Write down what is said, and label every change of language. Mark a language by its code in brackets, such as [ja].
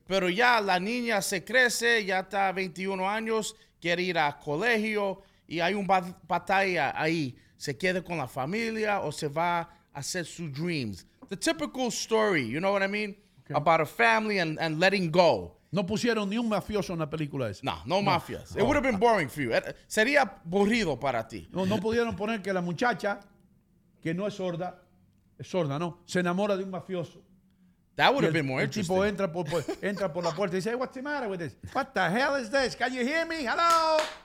[es] Pero ya la niña se crece, ya está 21 años, quiere ir a colegio y hay una batalla ahí. Se queda con la familia o se va a hacer sus dreams. [en] The typical story, you know what I mean? Okay. About a family and letting go. [es] No pusieron ni un mafioso en la película esa. [en] No mafias. It would have been boring for you. [es] Sería aburrido para ti. No pudieron poner que la muchacha, que no es sorda, ¿no? Se enamora de un mafioso. [en] That would have been more interesting. [es] El tipo entra por la puerta y dice, [en] hey, what's the matter with this? What the hell is this? Can you hear me? Hello?